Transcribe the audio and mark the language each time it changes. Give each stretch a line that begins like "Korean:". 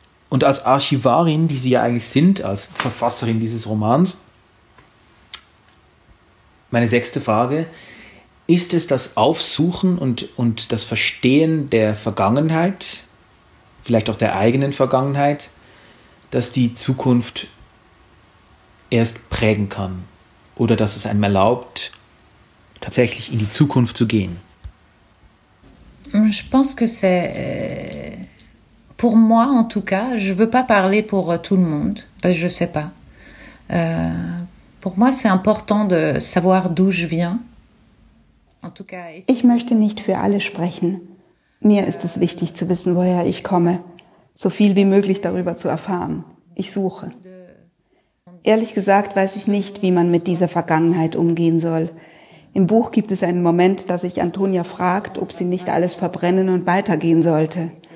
German: Und als Archivarin, die sie ja eigentlich sind, als Verfasserin dieses Romans, meine sechste Frage, ist es das Aufsuchen und das Verstehen der Vergangenheit, vielleicht auch der eigenen Vergangenheit, das die Zukunft erst prägen kann oder dass es einem erlaubt, tatsächlich in die Zukunft zu gehen?
French: Je pense que c'est... Pour moi, en tout cas, je ne veux pas parler pour tout le monde, parce que je ne sais pas. Pour moi, c'est important de savoir d'où je viens. En tout cas, ici...
German: Ich möchte nicht für alle sprechen. Mir ist es wichtig zu wissen, woher ich komme. So viel wie möglich darüber zu erfahren. Ich suche. Ehrlich gesagt weiß ich nicht, wie man mit dieser Vergangenheit umgehen soll. Im Buch gibt es einen Moment, dass sich Antonia fragt, ob sie nicht alles verbrennen und weitergehen sollte.